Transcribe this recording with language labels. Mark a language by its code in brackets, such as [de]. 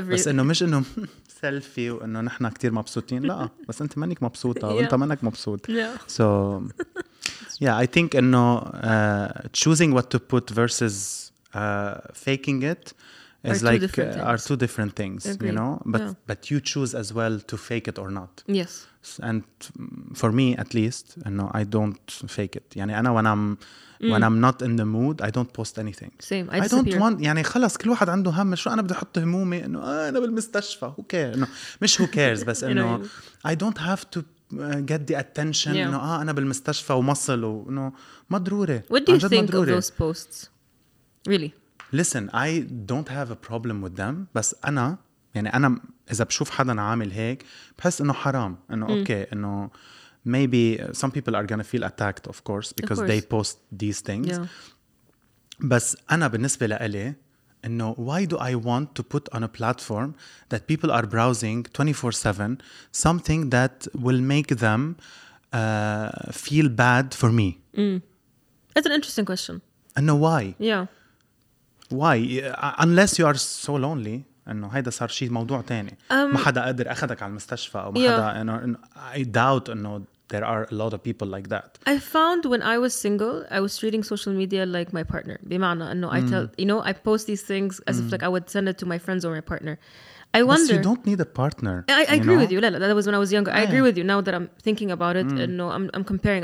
[ar] بس انه مش انه سيلفي وانه نحن كتير مبسوطين لا بس انت منك مبسوطة وانت منك مبسوط [en] so yeah I think انه choosing what to put versus faking it is like are two different things you know but you choose as well to fake it or not yes And for me, at least, no, I don't fake it. [ar] يعني أنا [en] when I'm when I'm not in the mood, I don't post anything. Same. I don't want. [ar] يعني خلاص كل واحد عنده هم. شو أنا بدي أحط همومي إنه أنا بالمستشفى. [en] Who cares? No, مش who cares. [ar] بس إنه [en] I don't have to get the attention. [ar] إنه أنا بالمستشفى ومصل وإنه ما ضروري. [en] What do you think of those posts? Really? Listen, I don't have a problem with them. [ar] بس أنا يعني أنا إذا بشوف حدا عامل هيك بحس إنه حرام إنه okay إنه [en] maybe some people are gonna feel attacked of course because of course. They post these things. Yeah. [ar] بس أنا بالنسبة لألي إنه [en] why do I want to put on a platform that people are browsing 24/7 something that will make them feel bad for me? It's an interesting question. And no, why? Yeah. Why? Unless you are so lonely. [ar] إنه هيدا صار شيء موضوع تاني. ما حدا قادر أخذك على المستشفى أو ما حدا. [en] I doubt إنه there are a lot of people like that. I found when I was single, I was treating social media like my partner. [ar] بمعنى إنه [en] I tell you know I post these things as if like I would send it to my friends or my partner. I wonder. But you don't need a partner. I agree with you. لا, that was when I was younger. Yeah. I agree with you. Now that I'm thinking about it, no, I'm comparing.